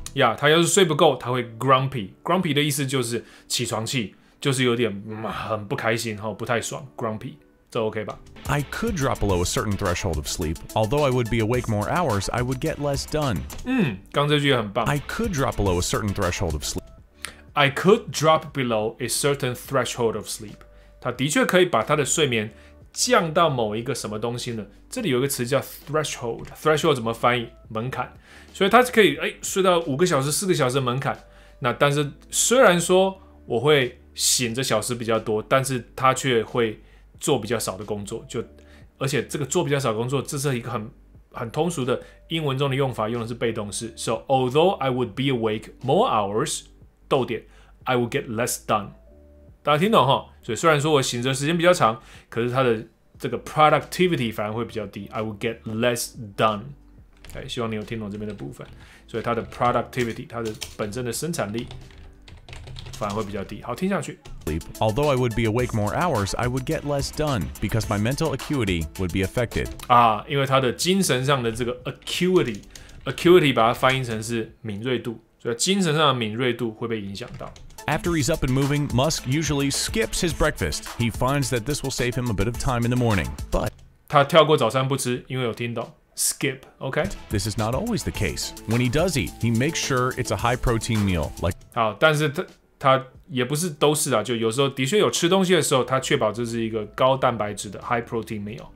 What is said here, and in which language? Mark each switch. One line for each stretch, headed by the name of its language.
Chinese: 呀，他要是睡不够，他会 grumpy。Grumpy 的意思就是起床气，就是有点、很不开心哈，不太爽 ，grumpy。这 OK 吧
English: ？I could drop below a certain threshold of sleep, although I would be awake more hours, I would get less done.
Chinese: 刚这句也很棒。
English: I could drop below a certain threshold of sleep. I could drop below a certain threshold of sleep.
Chinese: 他的确可以把他的睡眠降到某一个什么东西呢？这里有一个词叫 threshold. Threshold 怎么翻译？门槛。所以他可以睡到五个小时、四个小时的门槛。那但是虽然说我会醒着小时比较多，但是他却会。做比较少的工作，就而且这个做比较少的工作，这是一个很通俗的英文中的用法，用的是被动式。
English: So although I would be awake more hours，
Chinese: 逗点
English: ，I would get less done。
Chinese: 大家听懂哈？所以虽然说我醒着时间比较长，可是它的这个 productivity 反而会比较低 ，
English: I would get less done。
Chinese: 希望你有听懂这边的部分。所以它的 productivity， 它的本身的生产力反而会比较低。好，听下去。
English: Although I would be awake more hours, I would get less done because my mental acuity would be affected.
Chinese: 啊，因为他的精神上的这个 acuity 把它翻译成是敏锐度，所以精神上的敏锐度会被影响到。
English: After he's up and moving, Musk usually skips his breakfast. He finds that this will save him a bit of time in the morning. But
Chinese: 他跳过早餐不吃，因为有听到 skip. Okay.
English: This is not always the case. When he does eat, he makes sure it's a high protein meal. Like
Chinese: 好，但是他也不是都是啊，就有时候的确有吃东西的时候，他确保这是一个高蛋白质的 high protein meal.